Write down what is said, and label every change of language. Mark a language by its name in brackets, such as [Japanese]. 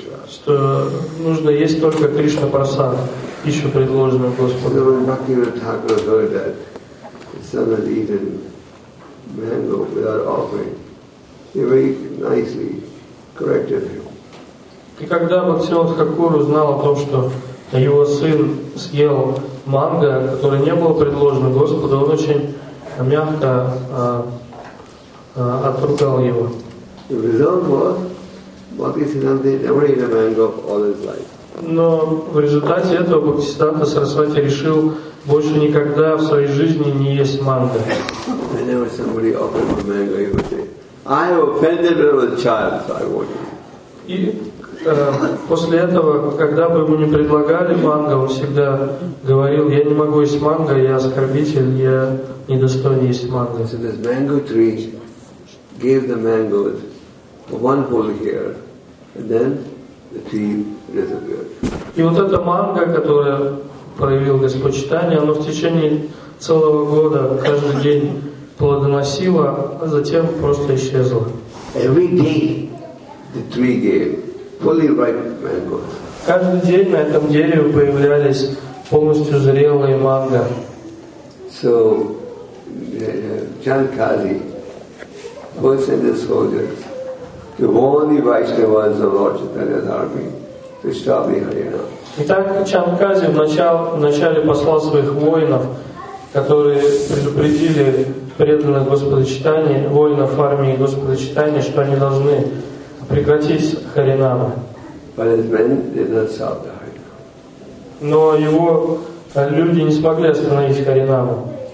[Russian] Что нужно есть только Кришна Прасад, пищу предложенную Господу. [English] So when Bhakti Thakur heard that his son had eaten mango without offering, he very nicely corrected him. [Russian] И когда Бхактивинода Тхакур узнал о том, что его сын съел манго, которое не было предложено Господу, он очень мягко отругал его. [English] The result was, Bhaktisiddhanta never ate a mango all his life. [Russian] Но в результате этого Бхактисиддханта Сарасвати решил больше никогда в своей жизни не есть манго. [English] Whenever somebody offered him mango, he would say, I offended a little child, so I won't eat. [Russian] После этого, когда бы ему не предлагали манго, он всегда говорил, я не могу есть манго, я оскорбитель, я недостоин есть манго. [English] So this mango tree gave the mango one whole year, and then the tree disappeared. [Russian] И вот эта манго, которая проявил Господь Читания, она в течение целого года, каждый день плодоносила, а затем просто исчезла. [English] Every day the tree gave. Fully ripe mangoes. [Russian] Каждый день на этом дереве появлялись полностью зрелые манго. [English] So, Chandkali would send his soldiers to warn the Vaishnavas of Lord Chaitanya's army to stop the Harina. [Russian] Итак, Чанкази вначале послал своих воинов, которые предупредили преданных Господа Читания, воинов армии Господа Читания, что они должны прекратить Харинаму. [English] But his men did not stop the [Russian] Но его люди не смогли остановить Харинаму.